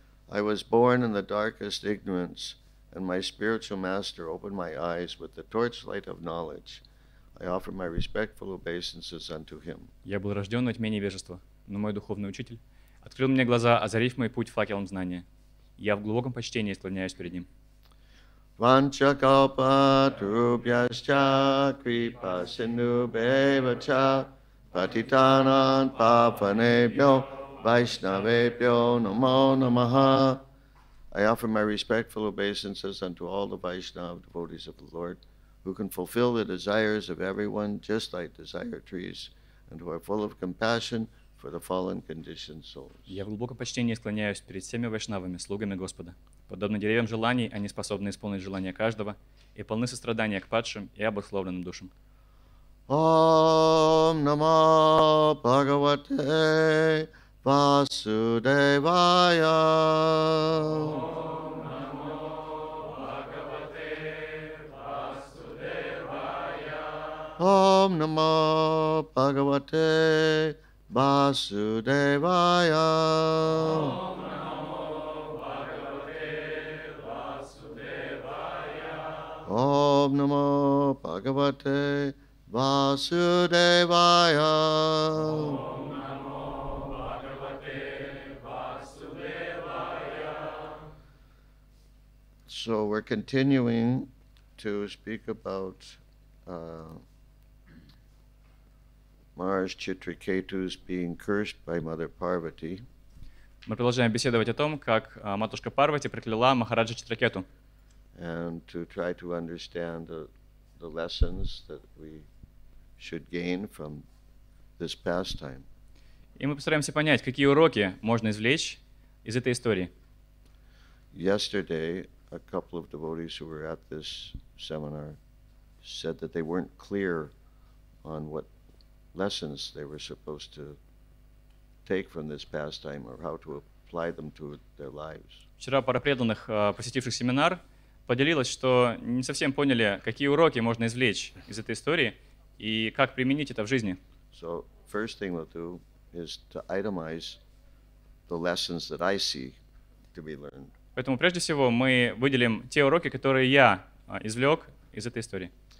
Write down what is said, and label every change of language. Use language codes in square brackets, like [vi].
[en] I was born in the darkest ignorance, and my spiritual master opened my eyes with the torchlight of knowledge. I offer my respectful obeisances unto him. [ru] Я был рожден во тьме невежества, но мой духовный учитель открыл мне глаза, озарив мой путь факелом знания. Я в глубоком почтении склоняюсь перед ним. [sa] Ванча калпа трубьяща крипа синду бевача патитанан папанебьо вайшнавебьо намо намаха. [en] I offer my respectful obeisances unto all the Vaishnava devotees of the Lord who can fulfill the desires of everyone just like desire trees and who are full of compassion for the fallen conditioned souls. [ru] Я в глубоком почтении склоняюсь перед всеми вайшнавами, слугами Господа. Подобно деревьям желаний, они способны исполнить желания каждого и полны сострадания к падшим и обусловленным душам. [sa] Ом намо Бхагавате Васудевая. Ом намо Бхагавате Васудевая. Ом намо Бхагавате Васудевая. Ом намо Бхагавате Васудевая. Ом намо Бхагавате Васудевая. Ом намо Бхагавате Васудевая. [en] So we're continuing to speak about Mars Chitraketus being cursed by Mother Parvati. [ru] Мы продолжаем беседовать о том, как матушка Парвати прокляла Махараджа Читракету. [en] And to try to understand the lessons that we should gain from this pastime. [ru] И мы постараемся понять, какие уроки можно извлечь из этой истории. [en] Yesterday, a couple of devotees who were at this seminar said that they weren't clear on what lessons they were supposed to take from this pastime or how to apply them to their lives. [ru] Вчера пара преданных, посетивших семинар, поделилась, что не совсем поняли, какие уроки можно извлечь из этой истории и как применить это в жизни. [en] So first thing we'll do is to itemize the lessons that I see to be learned. [ru] Поэтому прежде всего мы выделим те уроки, которые я извлек из этой истории.